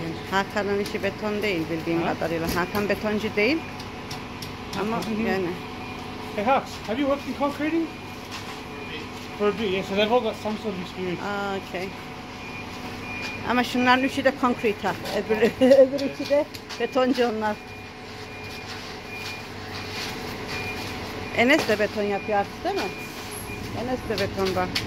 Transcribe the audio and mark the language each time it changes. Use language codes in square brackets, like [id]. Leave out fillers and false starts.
[tr] Hakan'ın işi beton değil bildiğim kadarıyla. Hakan betoncu değil. Ama yani. [en] Hey Hax, have you worked in concreting? For a bit, yes, they've all got some sort of experience. Ah, okay. [tr] Ama şunların üçü de concrete. Öbür üçü de betoncu onlar. Enes de beton yapıyor artık değil mi? Enes de betonda.